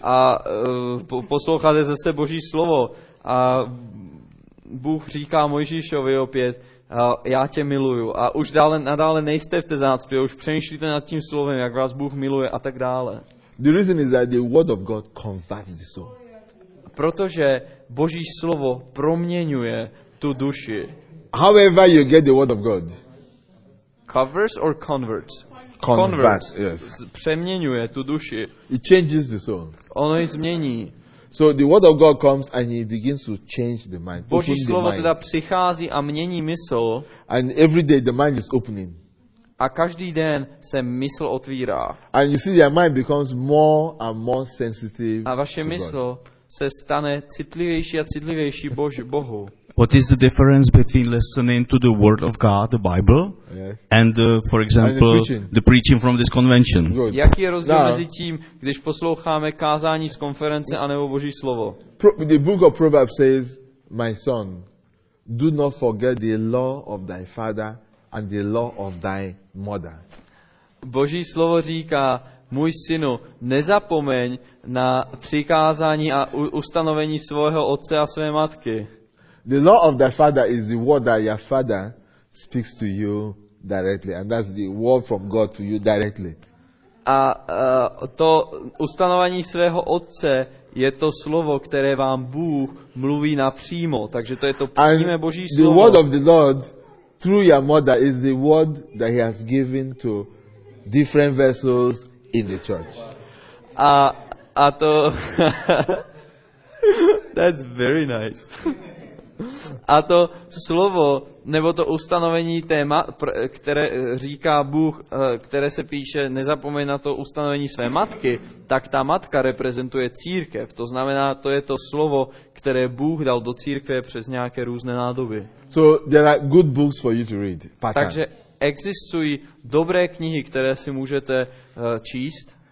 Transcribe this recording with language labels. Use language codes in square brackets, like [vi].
[cs] A posloucháte zase Boží slovo a Bůh říká Mojžíšovi opět, já tě miluju, a už nadále nejste v té zácpě, už přemýšlíte nad tím slovem, jak vás Bůh miluje a tak dále. [en] The reason is that the word of God converts the soul. [cs] Protože Boží slovo proměňuje tu duši. [en] However you get the word of God. Covers or converts? Converts, yes. [cs] Přeměňuje tu duši. [en] It changes the soul. [cs] Ono ji změní. [en] So the word of God comes and it begins to change the mind. [cs] Boží slovo teda přichází a mění mysl. [en] And every day the mind is opening. [cs] A každý den se mysl otvírá. [en] And you see your mind becomes more and more sensitive. [cs] A vaše mysl se stane citlivější a citlivější Bohu. [en] What is the difference between listening to the word of God, the Bible, yes. And for example, the preaching from this convention? Good. [cs] Jaký je rozdíl [en] now, [cs] mezi tím, když posloucháme kázání z konference a nebo Boží slovo? [en] The book of Proverbs says, my son, do not forget the law of thy father and the law of thy mother. [cs] Boží slovo říká, můj synu, nezapomeň na přikázání a ustanovení svého otce a své matky. [en] The law of the father is the word that your father speaks to you directly, and that's the word from God to you directly. [cs] A to ustanovení svého otce je to slovo, které vám Bůh mluví napřímo, takže to je to přímé Boží slovo. [en] The word of the Lord through your mother is the word that he has given to different vessels in the church. [cs] A to [en] that's very nice. [cs] A to slovo, nebo to ustanovení téma, které říká Bůh, které se píše, nezapomeň na to ustanovení své matky, tak ta matka reprezentuje církev. To znamená, to je to slovo, které Bůh dal do církve přes nějaké různé nádoby. [en] So there are good books for you to read. [cs] Takže existují dobré knihy, které si můžete číst.